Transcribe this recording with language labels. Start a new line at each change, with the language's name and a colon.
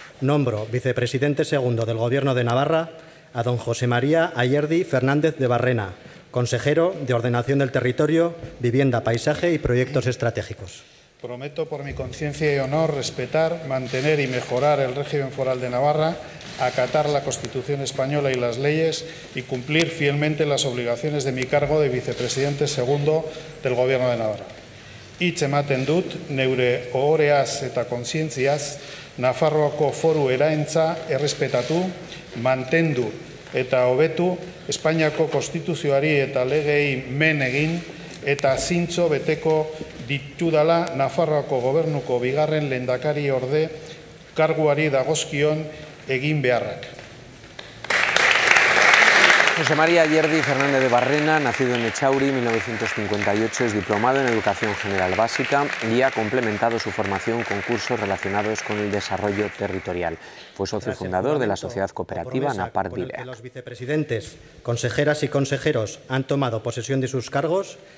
Spanish: Nombro vicepresidente segundo del Gobierno de Navarra a don José María Ayerdi Fernández de Barrena, consejero de Ordenación del Territorio, Vivienda, Paisaje y Proyectos Estratégicos. Prometo por mi conciencia y honor respetar, mantener y mejorar el régimen foral de Navarra, acatar la Constitución española y las leyes y cumplir fielmente las obligaciones de mi cargo de vicepresidente segundo del Gobierno de Navarra.
Basque: Hitz ematen dut, neure ohoreaz eta kontzientziaz, Nafarroako foru eraentza errespetatu, mantendu eta hobetu, Espainiako konstituzioari eta legei men egin, eta zintzo beteko ditudala Nafarroako gobernuko bigarren lehendakari orde karguari dagozkion egin beharrak.
Spanish: José María Yerdi Fernández de Barrena, nacido en Echauri, 1958, es diplomado en Educación General Básica y ha complementado su formación con cursos relacionados con el desarrollo territorial. Fue socio fundador de la sociedad cooperativa Napar Dilea. Los vicepresidentes, consejeras y consejeros han tomado posesión de sus cargos.